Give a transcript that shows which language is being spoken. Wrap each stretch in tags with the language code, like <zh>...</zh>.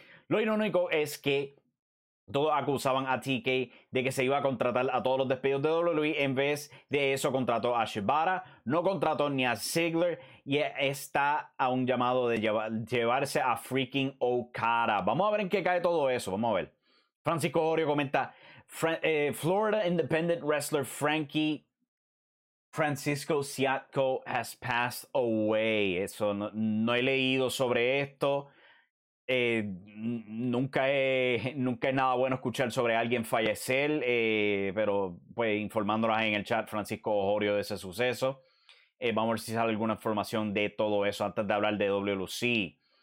<es>Lo irónico es que todos acusaban a TK de que se iba a contratar a todos los despedidos de WWE. En vez de eso, contrató a Shibata, no contrató ni a Ziggler y está a un llamado de llevarse a freaking Okada. Vamos a ver en qué cae todo eso. Vamos a ver. Francisco Orio comenta,</es> <en>Florida independent wrestler Frankie Francisco Siatko has passed away.</en> <es>Eso no he leído sobre esto. Nunca es nada bueno escuchar sobre alguien fallecer, pero pues informándonos en el chat Francisco Osorio de ese suceso. Vamos a ver si sale alguna información de todo eso antes de hablar de WLC.</es>